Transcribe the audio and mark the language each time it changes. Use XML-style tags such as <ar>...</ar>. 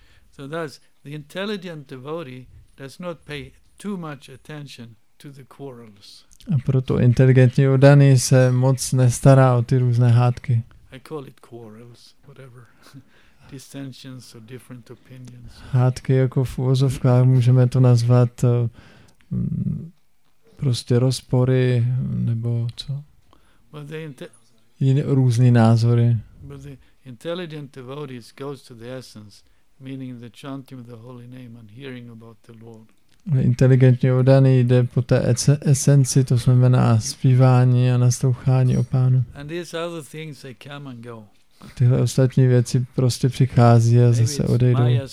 <en>So thus, the intelligent devotee does not pay too much attention to the quarrels.</en> <cs>A proto inteligentní oddaný se moc nestará o ty různé hádky.</cs> <en>I call it quarrels, whatever. Dissensions or different opinions.</en> <cs>Hádky jako v uvozovkách, můžeme to nazvat prostě rozpory nebo co?</cs> <en>But the</en> <cs>různý názory.</cs> <en>But the intelligent devotees goes to the essence, meaning the chanting of the holy name and hearing about the Lord.</en> <cs>Inteligentně oddaný jde po té esenci, to znamená zpívání a naslouchání o Pánu.</cs> <en>And these other things, they come and go.</en> <cs>Tyhle ostatní věci prostě přichází a zase odejdou.</cs>